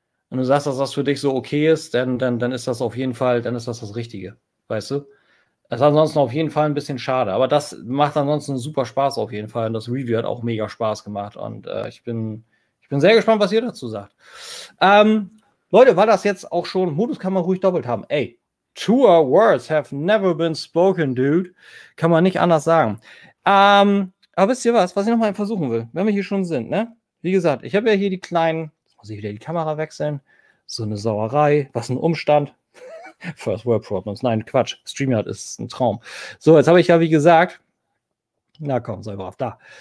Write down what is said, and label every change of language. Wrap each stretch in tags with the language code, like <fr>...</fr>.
<de>Wenn du sagst, dass das für dich so okay ist, dann ist das auf jeden Fall, dann ist das das Richtige, weißt du? Das ist ansonsten auf jeden Fall ein bisschen schade, aber das macht ansonsten super Spaß auf jeden Fall und das Review hat auch mega Spaß gemacht und ich bin sehr gespannt, was ihr dazu sagt. Leute, war das jetzt auch schon? Modus kann man ruhig doppelt haben.</de> <en>Ey, truer words have never been spoken, dude.</en> <de>Kann man nicht anders sagen. Aber wisst ihr was? Was ich nochmal versuchen will, wenn wir hier schon sind, ne? Wie gesagt, ich habe ja hier die kleinen. Jetzt muss ich wieder die Kamera wechseln. So eine Sauerei. Was ein Umstand.</de> <en>First World Problems.</en> <de>Nein, Quatsch. StreamYard ist ein Traum. So, jetzt habe ich ja, wie gesagt. Na komm, sei brav. Da.</de>